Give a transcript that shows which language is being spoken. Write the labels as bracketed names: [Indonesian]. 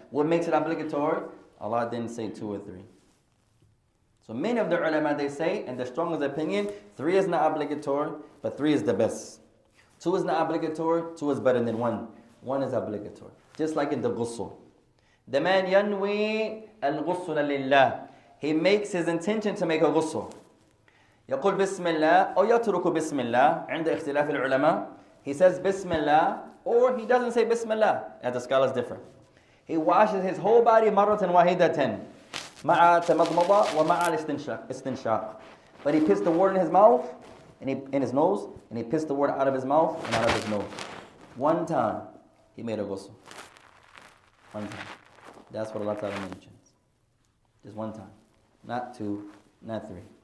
[English] What makes it obligatory? Allah didn't say two or three. So many of the ulama, they say, in the strongest opinion, three is not obligatory, but three is the best. Two is not obligatory, two is better than one. One is obligatory. Just like in the ghusl. The man yanwi al-ghusl lillah. He makes his intention to make a ghusl. [Arabic] يقول بسم الله أو يترك بسم الله عند اختلاف العلماء. [English] He says [Arabic] بسم الله [English] or he doesn't say بسم الله. Yeah, the scholars differ. He washes his whole body maratan wahidatan. [Arabic] مع تمضمضة ومع الاستنشاق. [English] But he pits the word in his mouth and in his nose and he pits the word out of his mouth and out of his nose. One time he made a ghusl. One time. That's what Allah Ta'ala mentions. Just one time. Not two, not three.